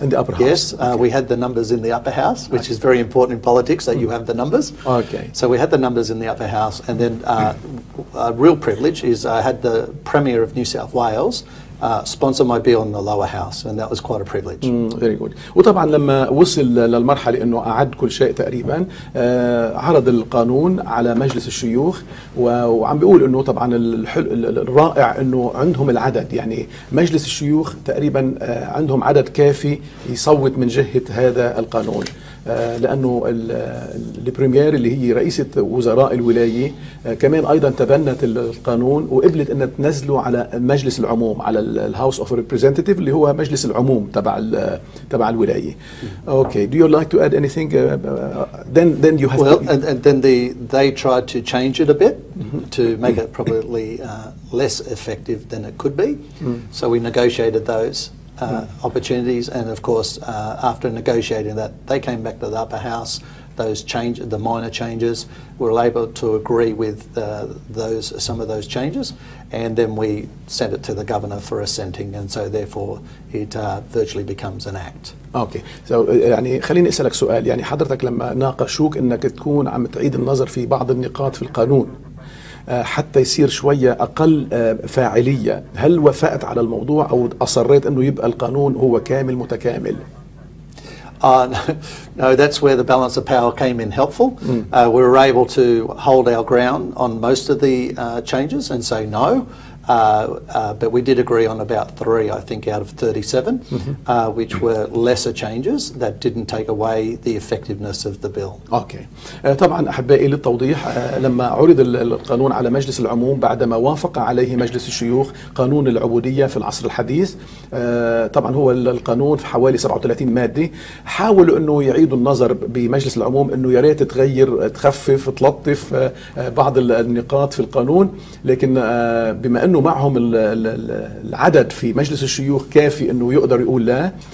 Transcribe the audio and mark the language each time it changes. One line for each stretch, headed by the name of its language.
English: In the upper house. Yes, okay. We had the numbers in the upper house, which is very important in politics that you have the numbers. Okay. So we had the numbers in the upper house, and then a real privilege is I had the Premier of New South Wales sponsor my bill in the lower house, and that was quite a privilege. Very good.
Arabic: وطبعا لما وصل للمرحلة انه اعد كل شيء تقريبا، عرض القانون على مجلس الشيوخ، وعم بيقول انه طبعا الرائع انه عندهم العدد، يعني مجلس الشيوخ تقريبا عندهم عدد كافي يصوت من جهة هذا القانون، لأنه البريمير اللي هي رئيسة وزراء الولاية كمان أيضا تبنت القانون وقبلت أن تنزله على مجلس العموم، على الهاوس أوف ريبريزنتيف اللي هو مجلس العموم تبع الولاية.
English: Okay. Do you like to add anything? Then you have. Well, and then they tried to change it a bit to make it probably less effective than it could be. So we negotiated those. Opportunities, and of course after negotiating that, they came back to the upper house. Those change, the minor changes, were able to agree with some of those changes, and then we sent it to the governor for assenting, and so therefore it virtually becomes an act. Okay so
Arabic: يعني خليني اسالك سؤال، يعني حضرتك لما ناقشوك انك تكون عم تعيد النظر في بعض النقاط في القانون حتى يصير شوية أقل فاعلية، هل وافقت على الموضوع أو أصريت أنه يبقى القانون هو كامل متكامل؟
English: No, that's where the balance of power came in helpful. We were able to hold our ground on most of the changes and say no. But we did agree on about 3, I think, out of 37, which were lesser changes that didn't take away the effectiveness of the bill. Okay.
Arabic: طبعا أحبائي للتوضيح، لما عرض القانون على مجلس العموم بعدما وافق عليه مجلس الشيوخ قانون العبودية في العصر الحديث، طبعا هو القانون في حوالي 37 مادة، حاولوا أنه يعيدوا النظر بمجلس العموم أنه ياريت تغير، تخفف، تلطف بعض النقاط في القانون، لكن بما أنه معهم العدد في مجلس الشيوخ كافي أنه يقدر يقول لا،